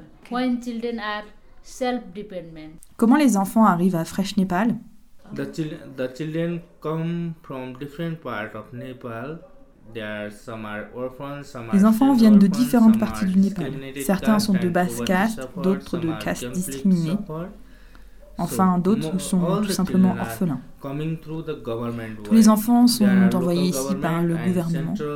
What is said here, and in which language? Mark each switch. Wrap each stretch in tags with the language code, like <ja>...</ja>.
<en>When children are self-dependent.</en> <fr>Comment les enfants arrivent à Fresh Népal?</fr> <en>The children come from different parts of Nepal.</en> <fr>Les enfants viennent de différentes parties du Népal. Certains sont de basse caste, d'autres de caste discriminée. Enfin, d'autres sont tout simplement orphelins. Tous les enfants sont envoyés ici par le gouvernement.</fr>